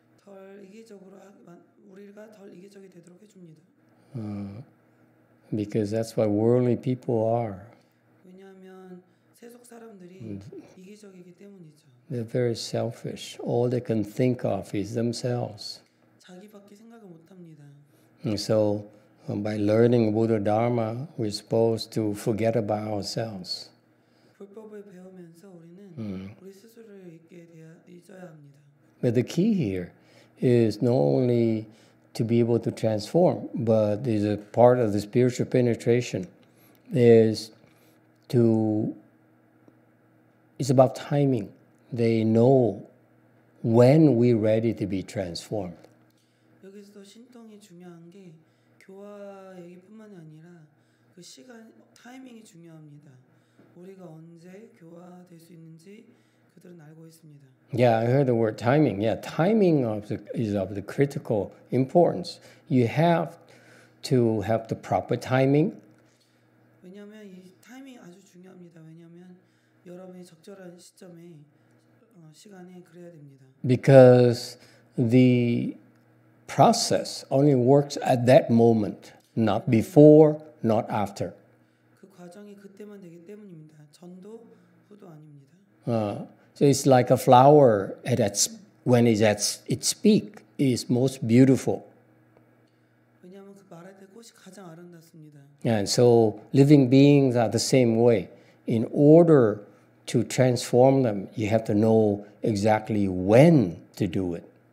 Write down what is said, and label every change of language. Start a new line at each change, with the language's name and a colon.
Korean: 덜 이기적으로 우리가 덜 이기적이 되도록 해줍니다.
English: Because that's what worldly people are.
Korean: 왜냐하면 세속 사람들이 이기적이기 때문이죠.
English: They're very selfish. All they can think of is themselves.
Korean: 자기밖에 생각을 못합니다.
English: By learning Buddha Dharma, we're supposed to forget about ourselves.
Korean: 불법을 배우면서 우리는 우리 스스로를 잊어야 합니다.
English: But the key here is not only to be able to transform, but is a part of the spiritual penetration, is to, it's about timing. They know when we're ready to be transformed.
Korean: 여기서도 신통이 중요한 게 교화 얘기뿐만이 아니라 그 시간 타이밍이 중요합니다. 우리가 언제 교화될 수 있는지 그들은 알고 있습니다.
English: Yeah, I heard the word timing. Yeah, timing of the, is of the critical importance. You have to have the proper timing.
Korean: 왜냐하면 이 타이밍 아주 중요합니다. 왜냐하면 여러분이 적절한 시점에 시간에 그래야 됩니다.
English: Because the process only works at that moment, not before, not after.
Korean: 그 과정이 그때만 되기 때문입니다. 전도 후도 아닙니다.
English: So it's like a flower at its, when it's at its peak, it is most beautiful.
Korean: 왜냐하면 그 말할 때 꽃이 가장 아름답습니다.
English: And so living beings are the same way. In order to transform them, you have to know exactly when to do it.